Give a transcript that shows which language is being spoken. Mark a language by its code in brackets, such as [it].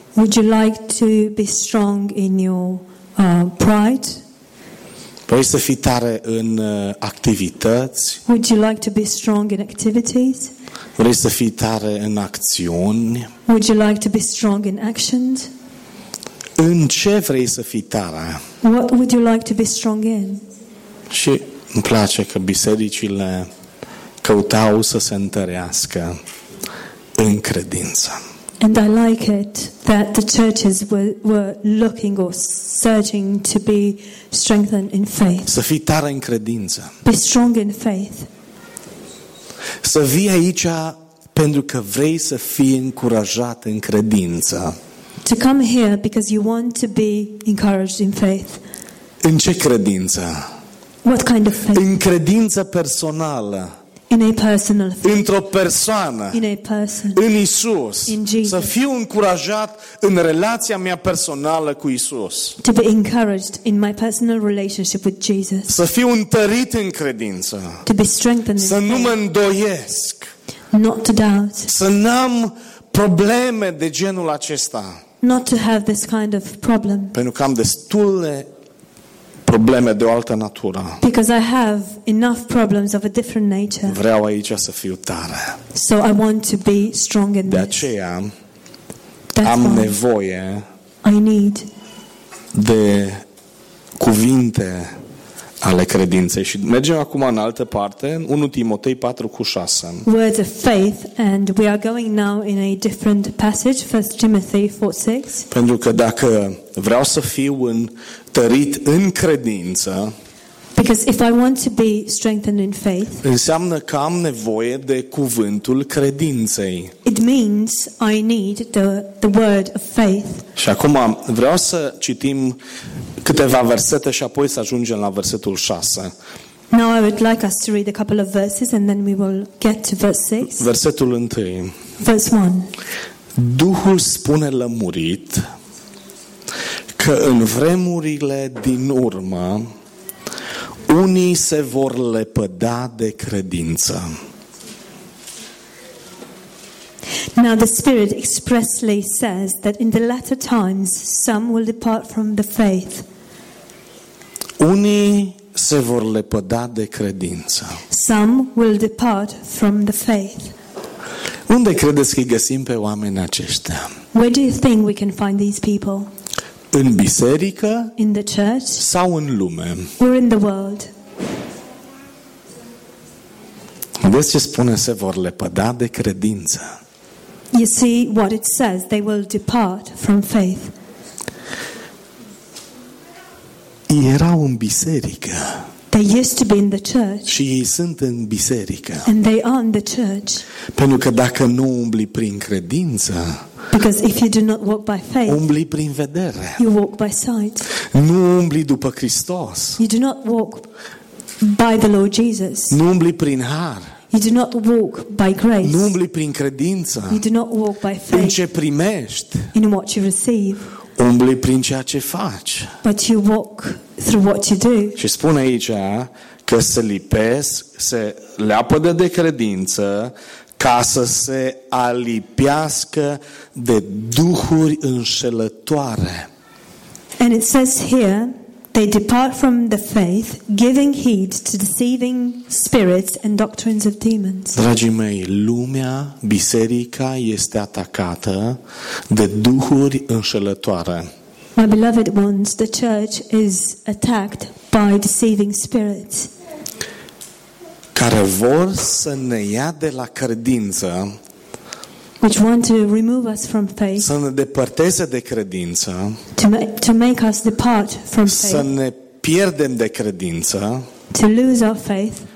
[en] Would you like to be strong in your pride? [ro] Vrei să fii tare în activități? [en] Would you like to be strong in activities? [ro] Vrei să fii tare în acțiuni? [en] Would you like to be strong in actions? [ro] În ce vrei să fii tare? [en] What would you like to be strong in? [ro] Și îmi place că bisericile căutau să se întărească în credință. [en] And I like it that the churches were looking or searching to be strengthened in faith. [ro] Să fii tare în credință. [en] Be strong in faith. [ro] Să vii aici pentru că vrei să fii încurajat în credință. [en] To come here because you want to be encouraged in faith. [ro] În ce credință? [en] What kind of faith? [ro] În credință personală. [en] In a personal faith. [ro] Într-o persoană. [en] In a person. [ro] În Isus. [en] In Jesus. [ro] Să fiu încurajat în relația mea personală cu Isus. [en] To be encouraged in my personal relationship with Jesus. [ro] Să fiu întărit în credință. [en] To be strengthened. [ro] Să nu mă îndoiesc. [en] Not to doubt. [ro] Să n-am probleme de genul acesta. [en] Not to have this kind of problem. [ro] Pentru că am destule probleme de o altă natură. [en] Because I have enough problems of a different nature. [ro] Vreau aici să fiu tare. [en] So I want to be strong in this. [ro] De aceea am nevoie. [en] I need. [ro] De cuvinte ale credinței. Și mergem acum în altă parte, în 1 Timotei 4:6. [en] Words of faith, and we are going now in a different passage, 1 Timothy 4:6. [ro] Pentru că dacă vreau să fiu întărit în credință, [en] because if I want to be strengthened in faith, [ro] înseamnă că am nevoie de cuvântul credinței. [en] It means I need the word of faith. [ro] Și acum vreau să citim câteva versete și apoi să ajungem la versetul 6. [en] Now I would like us to read a couple of verses and then we will get to verse 6. [ro] Versetul 1. [en] Verse 1. [ro] Duhul spune lămurit că în vremurile din urmă unii se vor lepăda de credință. [en] Now the Spirit expressly says that in the latter times some will depart from the faith. [ro] Unii se vor lepăda de credință. [en] Some will depart from the faith. [ro] Unde credeți că găsim pe oamenii aceștia? [en] Where do you think we can find these people? [ro] În biserică? [en] In the church? [ro] Sau în lume? [en] Or in the world? [ro] Vezi ce spune, se vor lepăda de credință. [en] You see what it says, they will depart from faith. [ro] Erau în biserică. [en] They used to be in the church. [ro] Și ei sunt în biserică. [en] And they are in the church. [ro] Pentru că dacă nu umbli prin credință, [en] because if you do not walk by faith, [ro] umbli prin vedere. [en] You walk by sight. [ro] Nu umbli după Hristos. [en] You do not walk by the Lord Jesus. [ro] Nu umbli prin har. [en] You do not walk by grace. [ro] Nu umbli prin credință. [en] You do not walk by faith. [ro] În ce primești. [en] In what you receive. [ro] Umbli prin ceea ce faci. [en] But you walk through what you do. [ro] Și spune aici că se lipesc, se leapădă de credință ca să se alipiască de duhuri înșelătoare. [en] And it says here, they depart from the faith, giving heed to deceiving spirits and doctrines of demons. [ro] Dragii mei, lumea, biserica este atacată de duhuri înșelătoare. [en] My beloved ones, the church is attacked by deceiving spirits. [ro] Care vor să ne ia de la credință. [en] Which want to remove us from faith. [ro] Să ne depărteze de credință. [en] To make us depart from faith. [ro] Să ne pierdem de credință. [en] To lose our faith.